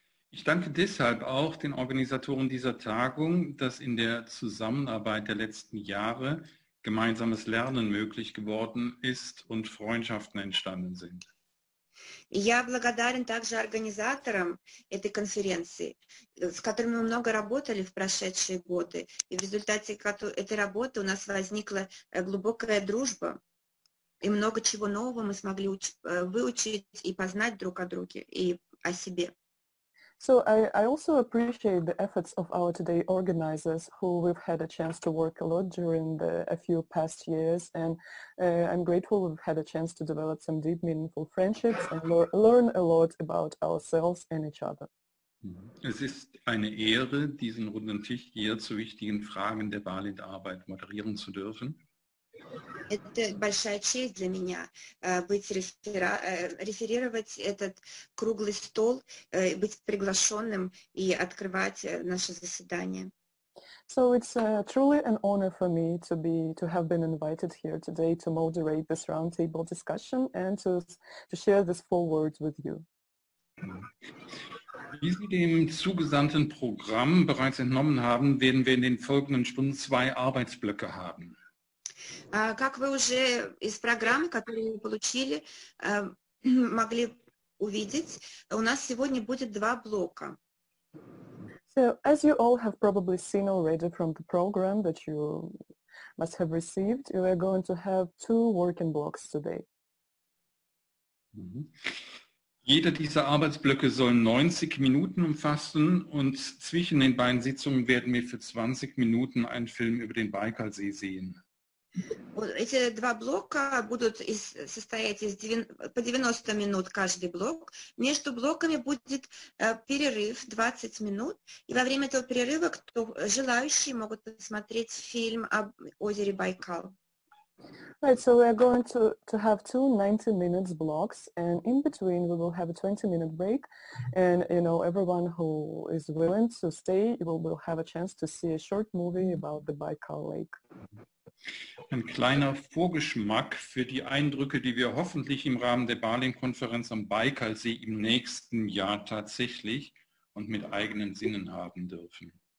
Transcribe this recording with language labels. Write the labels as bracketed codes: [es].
[de] Ich danke deshalb auch den Organisatoren dieser Tagung, dass in der Zusammenarbeit der letzten Jahre gemeinsames Lernen möglich geworden ist und Freundschaften entstanden sind. [ru] Я благодарен также организаторам этой конференции, с которыми мы много работали в прошедшие годы, и в результате этой работы у нас возникла глубокая дружба, и много чего нового мы смогли выучить и познать друг о друге и о себе. [en] So I also appreciate the efforts of our today organizers, who we've had a chance to work a lot during the a few past years, and I'm grateful we've had a chance to develop some deep, meaningful friendships and learn a lot about ourselves and each other. [de] Es ist eine Ehre, diesen runden Tisch hier zu wichtigen Fragen der Balint-Arbeit moderieren zu dürfen. [ru] Это большая честь для меня быть реферировать этот круглый стол, быть приглашенным и открывать наше заседание. [en] So it's truly an honor for me to have been invited here today to moderate this roundtable discussion and to share this forward with you. [de] Wie Sie dem zugesandten Programm bereits entnommen haben, werden wir in den folgenden Stunden zwei Arbeitsblöcke haben. [ru] Как вы уже из программы, которую вы получили, могли увидеть, у нас сегодня будет два блока. [en] So, as you all have probably seen already from the program that you must have received, you are going to have two working blocks today. [de] Jeder dieser Arbeitsblöcke soll 90 Minuten umfassen und zwischen den beiden Sitzungen werden wir für 20 Minuten einen Film über den Baikalsee sehen. [ru] Эти два блока будут состоять из по 90 минут каждый блок. Между блоками будет перерыв 20 минут. И во время этого перерыва желающие могут посмотреть фильм об озере Байкал. [en] Right, so we are going to have two 90-minute blocks, and in between we will have a 20-minute break, and you know, everyone who is willing to stay will have a chance to see a short movie about the Baikal Lake. [de] Ein kleiner Vorgeschmack für die Eindrücke, die wir hoffentlich im Rahmen der Baling-Konferenz am Baikalsee im nächsten Jahr tatsächlich und mit eigenen Sinnen haben dürfen.